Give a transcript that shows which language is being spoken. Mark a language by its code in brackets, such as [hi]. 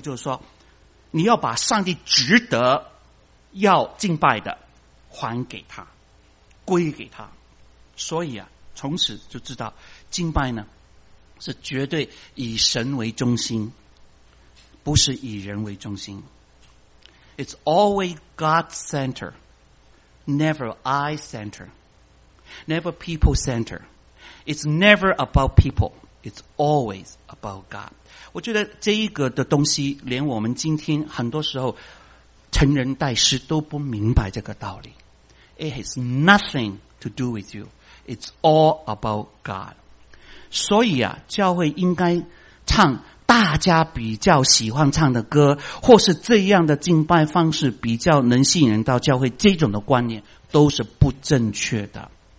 [zh] 就是说你要把上帝值得要敬拜的还给他，归给他。所以啊，从此就知道敬拜呢是绝对以神为中心，不是以人为中心。 [en] It's always God center, never I center, never people center. It's never about people. It's always about God. [zh] 我觉得这一个的东西，连我们今天很多时候成人带师都不明白这个道理。 [en] It has nothing to do with you. It's all about God. [zh] 所以啊，教会应该唱大家比较喜欢唱的歌，或是这样的敬拜方式比较能吸引人到教会，这种的观念都是不正确的。